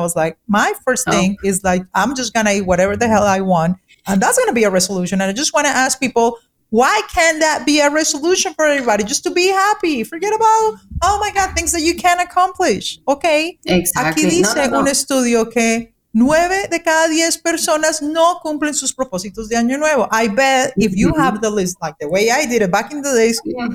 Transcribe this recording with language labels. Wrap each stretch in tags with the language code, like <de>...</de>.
<en>I was like, my first thing is like, I'm just gonna eat whatever the hell I want, and that's gonna be a resolution. And I just wanna ask people, why can't that be a resolution for everybody? Just to be happy. Forget about, oh my God, things that you can't accomplish. Okay. Exactly.</en> <es>Aquí dice un estudio que 9 de cada 10 personas no cumplen sus propósitos de año nuevo.</es> <en>I bet if you mm-hmm. have the list like the way I did it back in the days, mm-hmm.</en>